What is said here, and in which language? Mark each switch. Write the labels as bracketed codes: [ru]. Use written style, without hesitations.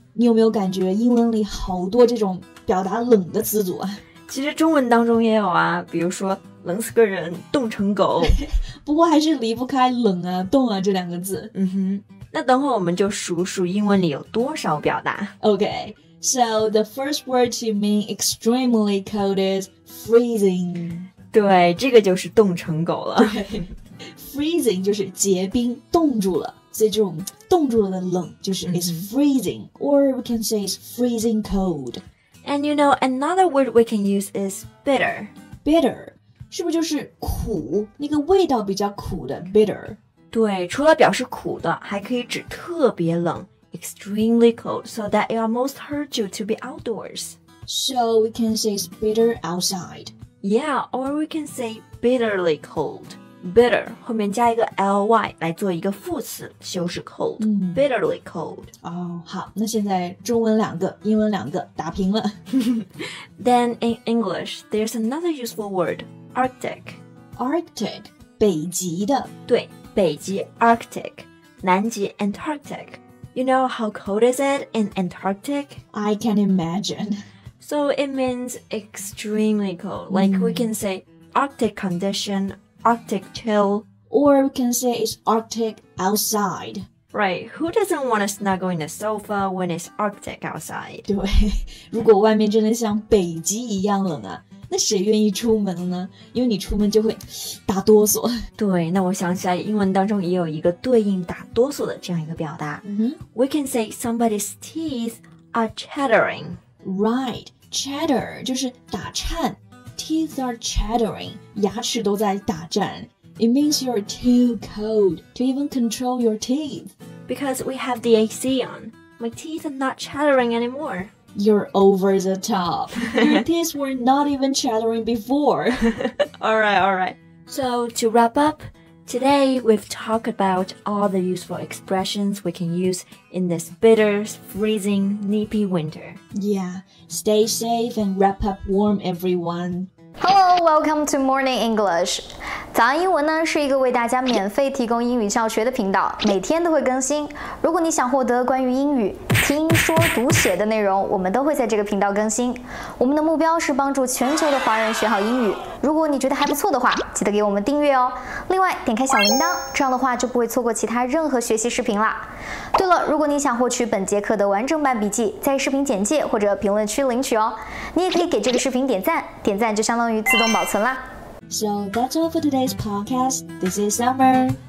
[zh] 你有没有感觉英文里好多这种表达冷的词组啊？其实中文当中也有啊，比如说冷死个人，冻成狗。不过还是离不开冷啊，冻啊这两个字。嗯哼，那等会我们就数数英文里有多少表达。 [en] Okay. So, the first word to mean extremely cold is freezing. [zh] 对，这个就是冻成狗了。 Freezing 就是结冰，冻住了。所以这种冻住了的冷就是 [en] is freezing, or we can say it's freezing cold. And you know, another word we can use is bitter. [zh] Bitter, 是不是就是苦，那个味道比较苦的 bitter? 对，除了表示苦的，还可以指特别冷。 [en] Extremely cold, so that it almost hurts you to be outdoors. So we can say it's bitter outside. Yeah, or we can say bitterly cold. Bitter, [zh] 后面加一个 ly 来做一个副词，修饰 [en] cold. Bitterly cold. [zh] 好，那现在中文两个，英文两个打平了。 [en] Then in English, there's another useful word, arctic. [zh] Arctic, 北极的。对，北极 Arctic, 南极 Antarctic. [en] You know how cold is it in Antarctic? I can imagine. So it means extremely cold. Like we can say Arctic condition, Arctic chill. Or we can say it's Arctic outside. Right, who doesn't want to snuggle in the sofa when it's Arctic outside? [zh] 对，如果外面真的像北极一样冷啊，那谁愿意出门呢？因为你出门就会打哆嗦。对，那我想起来英文当中也有一个对应打哆嗦的这样一个表达。 Mm-hmm. [en] We can say somebody's teeth are chattering. [zh] Right, chatter 就是打颤。 [en] Teeth are chattering, [zh] 牙齿都在打颤。 [en] It means you're too cold to even control your teeth. Because we have the AC on. My teeth are not chattering anymore. You're over the top. Your teeth were not even chattering before. All right. So to wrap up, today we've talked about all the useful expressions we can use in this bitter, freezing, nippy winter. Yeah, stay safe and wrap up warm, everyone. Hello, welcome to Morning English. [zh] 早安英文呢是一个为大家免费提供英语教学的频道，每天都会更新。如果你想获得关于英语听说读写的内容，我们都会在这个频道更新。我们的目标是帮助全球的华人学好英语。如果你觉得还不错的话，记得给我们订阅哦。另外，点开小铃铛，这样的话就不会错过其他任何学习视频啦。对了，如果你想获取本节课的完整版笔记，在视频简介或者评论区领取哦。你也可以给这个视频点赞，点赞就相当于自动保存啦。 [en] So that's all for today's podcast. This is Summer.